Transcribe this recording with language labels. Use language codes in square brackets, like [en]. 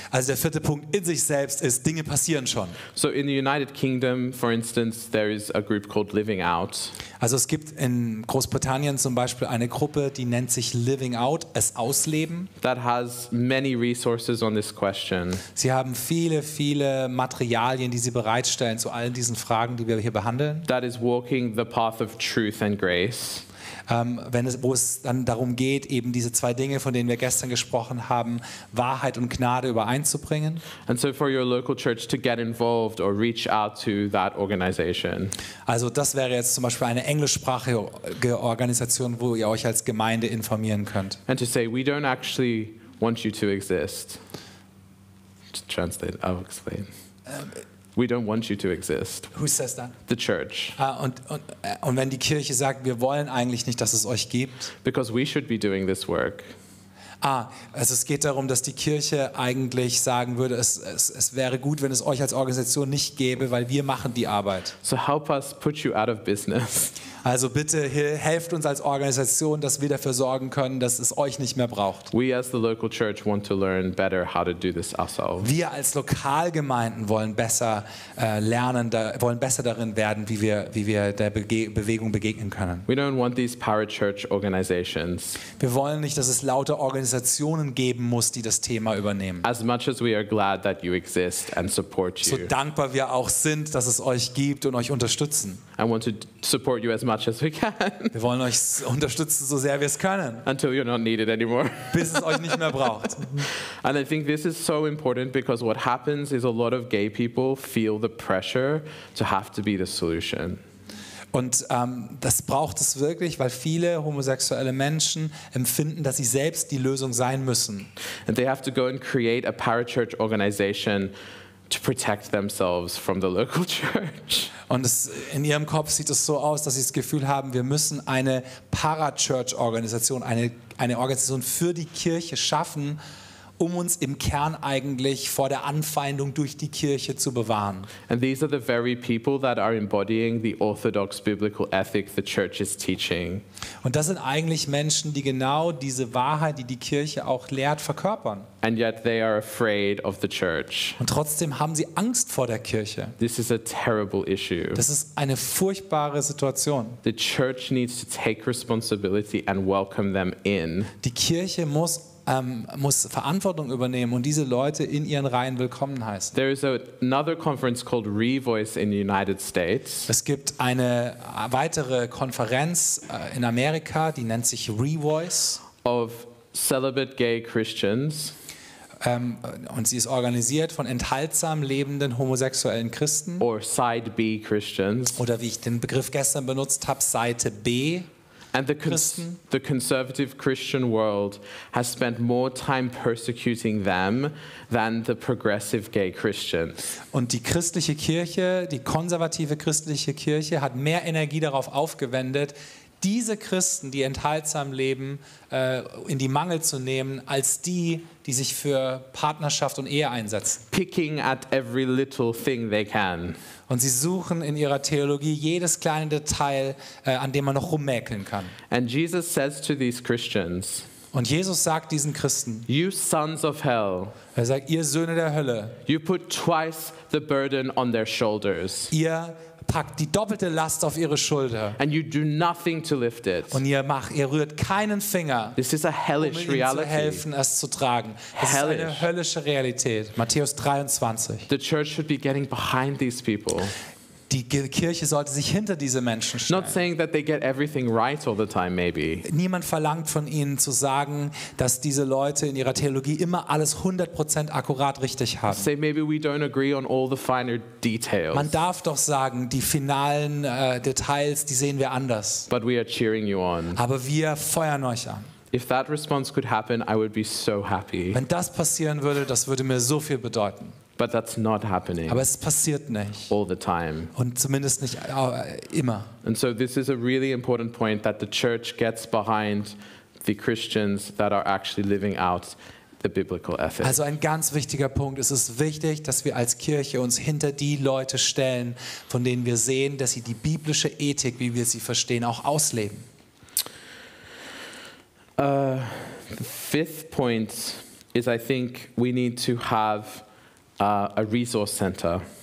[de] Also der vierte Punkt in sich selbst ist, Dinge passieren schon. [en] So in the United Kingdom, for instance, there is a group called Living Out. [de] Also es gibt in Großbritannien zum Beispiel eine Gruppe, die nennt sich Living Out, es ausleben. [en] That has many resources on this question. [de] Sie haben viele, viele Materialien, die sie bereitstellen zu all diesen Fragen, die wir hier behandeln. [en] That is walking the path of truth and grace. [de] wo es dann darum geht, eben diese zwei Dinge, von denen wir gestern gesprochen haben, Wahrheit und Gnade übereinzubringen. [en] And so for your local church to get involved or reach out to that organization. [de] Also das wäre jetzt zum Beispiel eine englischsprachige Organisation, wo ihr euch als Gemeinde informieren könnt. [en] And to say, we don't actually want you to exist. To translate, I'll explain. We don't want you to exist. Who says that? The church. [de] Und wenn die Kirche sagt, wir wollen eigentlich nicht, dass es euch gibt. [en] Because we should be doing this work. [de] Also es geht darum, dass die Kirche eigentlich sagen würde, es wäre gut, wenn es euch als Organisation nicht gäbe, weil wir machen die Arbeit. [en] So help us put you out of business. [de] Also bitte helft uns als Organisation, dass wir dafür sorgen können, dass es euch nicht mehr braucht. [en] We as the local church want to learn better how to do this ourselves. [de] Wir als Lokalgemeinden wollen besser wollen besser darin werden, wie wir der Bewegung begegnen können. [en] We don't want these parachurch organizations. [de] Wir wollen nicht, dass es lauter Organisationen geben muss, die das Thema übernehmen. [en] As much as we are glad that you exist and support you. [de] So dankbar wir auch sind, dass es euch gibt und euch unterstützen. [en] I want to support you as much as we can. [de] Wir wollen euch unterstützen, so sehr wir es können. [en] Until you're not needed anymore. [de] Bis es euch nicht mehr braucht. [en] And I think this is so important because what happens is a lot of gay people feel the pressure to have to be the solution. [de] Und das braucht es wirklich, weil viele homosexuelle Menschen empfinden, dass sie selbst die Lösung sein müssen. [en] And they have to go and create a parachurch organization to protect themselves from the local church. [de] Und es, in ihrem Kopf sieht es so aus, dass sie das Gefühl haben, wir müssen eine Parachurch-Organisation, eine Organisation für die Kirche schaffen, um uns im Kern eigentlich vor der Anfeindung durch die Kirche zu bewahren. [en] And these are the very people that are embodying the orthodox biblical ethic the church is teaching. [de] Und das sind eigentlich Menschen, die genau diese Wahrheit, die die Kirche auch lehrt, verkörpern. [en] And yet they are afraid of the church. [de] Und trotzdem haben sie Angst vor der Kirche. [en] This is a terrible issue. [de] Das ist eine furchtbare Situation. [en] The church needs to take responsibility and welcome them in. [de] Die Kirche muss Verantwortung übernehmen und diese Leute in ihren Reihen willkommen heißen. [en] There is another conference called Revoice in the United States. [de] Es gibt eine weitere Konferenz in Amerika, die nennt sich Revoice. [en] Of celibate gay Christians. [de] Und sie ist organisiert von enthaltsam lebenden homosexuellen Christen. [en] Or Side B Christians. [de] Oder wie ich den Begriff gestern benutzt habe, Seite B. [en] And the conservative Christian world has spent more time persecuting them than the progressive gay Christians. [de] Und die christliche Kirche, die konservative christliche Kirche, hat mehr Energie darauf aufgewendet, diese Christen, die enthaltsam leben, in die Mangel zu nehmen, als die, die sich für Partnerschaft und Ehe einsetzen. [en] Picking at every little thing they can. [de] Und sie suchen in ihrer Theologie jedes kleine Detail, an dem man noch rummäkeln kann. [en] And Jesus says to these Christians, [de] und Jesus sagt diesen Christen, [en] you sons of hell, [de] er sagt, ihr Söhne der Hölle, [en] you put twice the burden on their shoulders. [de] Ihr packt die doppelte Last auf ihre Schulter. [en] And you do nothing to lift it. [de] Und ihr rührt keinen Finger, [en] this is a hellish [de] um ihnen [en] reality. [de] Zu helfen, es zu tragen. Das [en] hellish. [de] Ist eine höllische Realität. Matthäus 23. [en] The church should be getting behind these people. [de] Die Kirche sollte sich hinter diese Menschen stellen. [en] Not saying that they get everything right all the time, maybe. [de] Niemand verlangt von ihnen zu sagen, dass diese Leute in ihrer Theologie immer alles 100% akkurat richtig haben. [en] Say maybe we don't agree on all the finer details. [de] Man darf doch sagen, die finalen Details, die sehen wir anders. [en] But we are cheering you on. [de] Aber wir feuern euch an. [en] If that response could happen, I would be so happy. [de] Wenn das passieren würde, das würde mir so viel bedeuten. [en] But that's not happening. [de] Aber es passiert nicht. [en] All the time. [de] Und zumindest nicht immer. [en] And so this is a really important point that the church gets behind the Christians that are actually living out the biblical ethic. [de] Also ein ganz wichtiger Punkt, es ist wichtig, dass wir als Kirche uns hinter die Leute stellen, von denen wir sehen, dass sie die biblische Ethik, wie wir sie verstehen, auch ausleben. [en] Fifth point is I think we need to have a resource center.